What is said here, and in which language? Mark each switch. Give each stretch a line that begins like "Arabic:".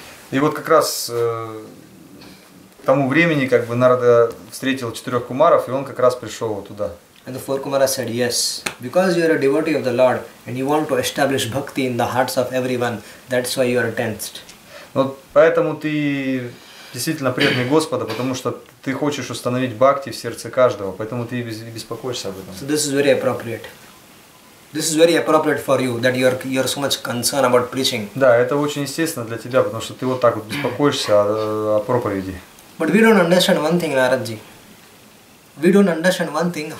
Russian: И вот как раз тому времени, как бы Нарада встретил четырех Кумаров, и он как раз пришел туда.
English: And the four Kumaras said, "Yes, because you are a devotee of the Lord and you want to establish bhakti in the hearts of everyone, that's why you are tensed."
Russian: Вот поэтому ты действительно преданный Господа, потому что ты хочешь установить бхакти в сердце каждого, поэтому ты беспокоишься об этом.
English: So this is very appropriate. This is very appropriate for you that you're so much concerned about preaching.
Russian: Да, это очень естественно для тебя, потому что ты вот так вот беспокоишься о проповеди.
English: But we don't understand one thing, Narad-ji. We don't understand one thing.